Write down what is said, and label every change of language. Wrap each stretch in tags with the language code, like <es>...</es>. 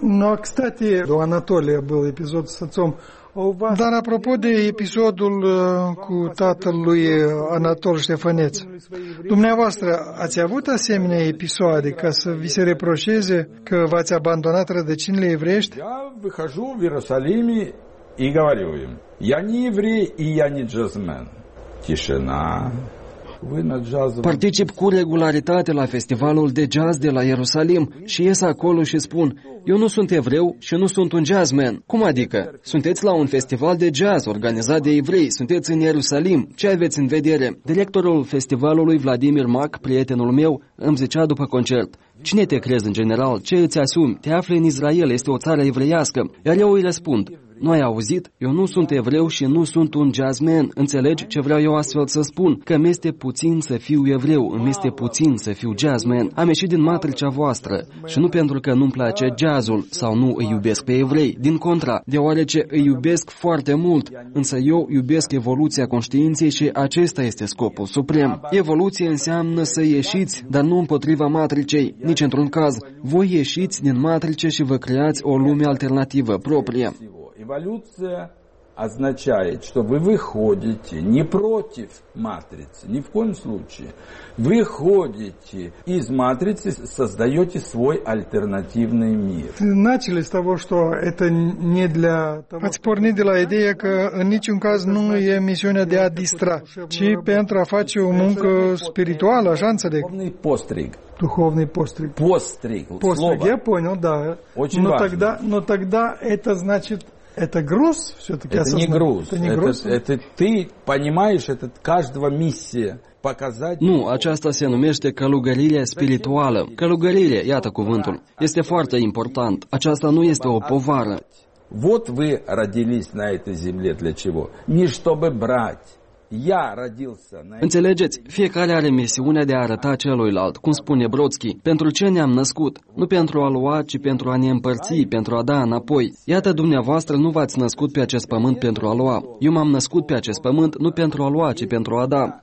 <ru>Ну, а, кстати, у Анатолия был эпизод с отцом.</ru> <ro>Dar apropo de episodul cu tatăl lui Anatol Ștefăneț, dumneavoastră ați avut asemenea episoade ca să vi se reproșeze că v-ați abandonat rădăcinile evreiești?</ro> <ru>Я выхожу в Иерусалим и говорю им: "Я не еврей и я не джазмен". Тишина.</ru> <ro>Particip cu regularitate la festivalul de jazz de la Ierusalim și ies acolo și spun: "Eu nu sunt evreu și nu sunt un jazzman". Cum adică? Sunteți la un festival de jazz organizat de evrei, sunteți în Ierusalim, ce aveți în vedere? Directorul festivalului, Vladimir Mac, prietenul meu, îmi zicea după concert: "Cine te crezi în general? Ce îți asumi? Te afli în Israel, este o țară evreiască". Iar eu îi răspund: "Nu ai auzit? Eu nu sunt evreu și nu sunt un jazzman. Înțelegi ce vreau eu astfel să spun? Că îmi este puțin să fiu evreu, îmi este puțin să fiu jazzman. Am ieșit din matricea voastră și nu pentru că nu-mi place jazzul sau nu îi iubesc pe evrei. Din contra, deoarece îi iubesc foarte mult, însă eu iubesc evoluția conștiinței și acesta este scopul suprem. Evoluție înseamnă să ieșiți, dar nu împotriva matricei. Nici într-un caz. Voi ieșiți din matrice și vă creați o lume alternativă proprie.</ro> <ru>Эволюция означает, что вы выходите не против матрицы, ни в коем случае. Выходите из матрицы, создаете свой альтернативный мир. Начали с того, что это не для того. Отпорни дела идея, что в ничем каз ну я миссия для адистра, чи пентра фачи умунка спиритуал, а жанцарик. Духовный постриг. Духовный постриг. Постриг. Постриг. Я понял, да. Очень важно. Но тогда это значит. Это груз все-таки? Это не груз. Это ты понимаешь, это каждого миссия.</ru> <ro>Nu, aceasta se numește călugărire spirituală. Călugărire, iată cuvântul. Este foarte important. Aceasta nu este o povară.</ro> <ru>Вот вы родились на этой земле для чего? Не чтобы брать.</ru> <ro>Înțelegeți? Fiecare are misiunea de a arăta celuilalt, cum spune Brodsky, pentru ce ne-am născut. Nu pentru a lua, ci pentru a ne împărți, pentru a da înapoi. Iată, dumneavoastră nu v-ați născut pe acest pământ pentru a lua. Eu m-am născut pe acest pământ nu pentru a lua, ci pentru a da.</ro>